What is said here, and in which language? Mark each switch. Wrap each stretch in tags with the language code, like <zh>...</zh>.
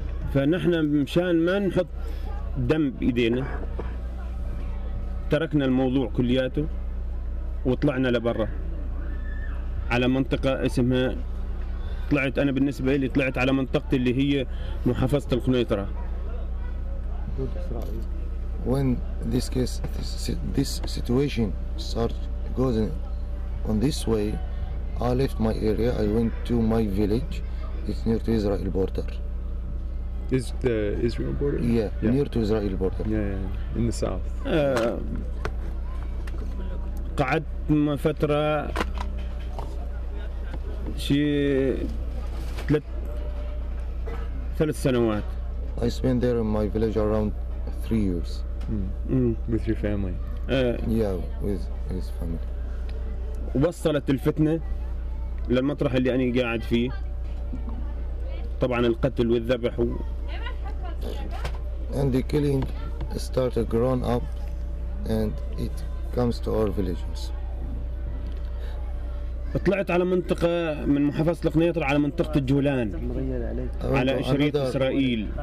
<ar>فنحن مشان ما نحط دم بإيدينا. تركنا الموضوع كلياته وطلعنا لبرا على منطقة اسمها طلعت أنا بالنسبة لي طلعت على منطقة اللي هي محافظة القنيطرة.</ar> <en>When this case this situation start going on this way, I left my area. I went to my village. It's near to Israel border. Is the Israel border? Yeah, near to Israel border. Yeah, in the south.</en> <ar>قعدت فترة شي ثلاث سنوات.</ar> <en>I spent there in my village around 3 years. With your family. Yeah, with his family.</en> <ar>وصلت الفتنة للمطرح اللي أنا قاعد فيه. طبعا القتل والذبح و...</ar> <en>And the killing started grown up and it comes to our villages.</en> <ar>طلعت على منطقة من محافظة القنيطرة على منطقة الجولان على شريط إسرائيل.</ar>